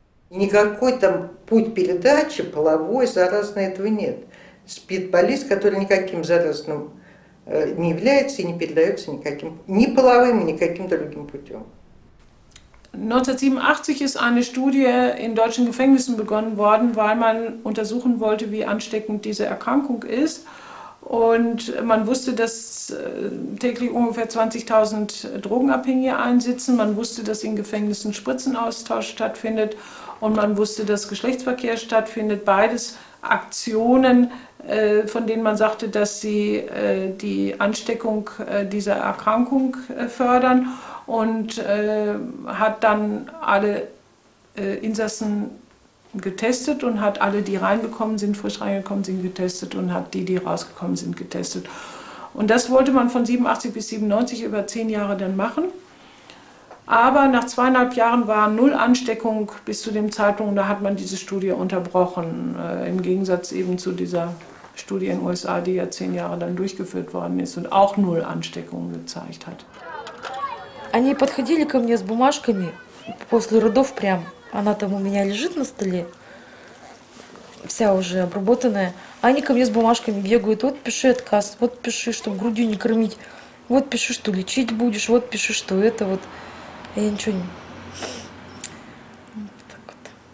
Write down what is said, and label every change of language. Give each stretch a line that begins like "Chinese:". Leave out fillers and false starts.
Russian: Никакой там путь передачи, половой, заразной, этого нет. Спит болезнь, которая никаким заразным не является и не передается никаким, ни половым, ни каким другим путем.
German: 1987 ist eine Studie in deutschen Gefängnissen begonnen worden, weil man untersuchen wollte, wie ansteckend diese Erkrankung ist. Und man wusste, dass täglich ungefähr 20.000 Drogenabhängige einsitzen. Man wusste, dass in Gefängnissen Spritzenaustausch stattfindet. Und man wusste, dass Geschlechtsverkehr stattfindet. Beides Aktionen, von denen man sagte, dass sie die Ansteckung dieser Erkrankung fördern. Und hat dann alle Insassen getestet und hat alle, die reingekommen sind, frisch reingekommen sind, getestet und hat die, die rausgekommen sind, getestet. Und das wollte man von 87 bis 97 über 10 Jahre dann machen. Aber nach 2,5 Jahren war null Ansteckung bis zu dem Zeitpunkt, da hat man diese Studie unterbrochen, im Gegensatz eben zu dieser Studie in den USA, die ja 10 Jahre dann durchgeführt worden ist und auch null Ansteckung gezeigt hat.
Russian: Они подходили ко мне с бумажками после родов прям. Она там у меня лежит на столе, вся уже обработанная. Они ко мне с бумажками бегают, вот пиши отказ, вот пиши, чтобы грудью не кормить, вот пиши, что лечить будешь, вот пиши, что это вот. А я ничего не... Вот так вот.